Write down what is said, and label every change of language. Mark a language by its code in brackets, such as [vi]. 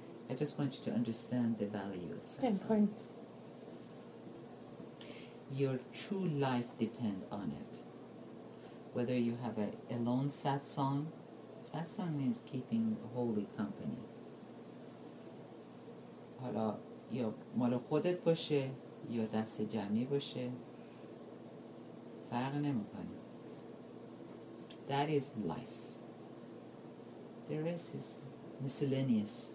[en] I just want you to understand the value of satsang. Your true life depends on it. Whether you have a lone satsang, satsang means keeping holy company. [fa] حالا یا مال خودت باشه یا دست جمعی باشه فرق نمیکنه. [en] That is life. The rest is miscellaneous.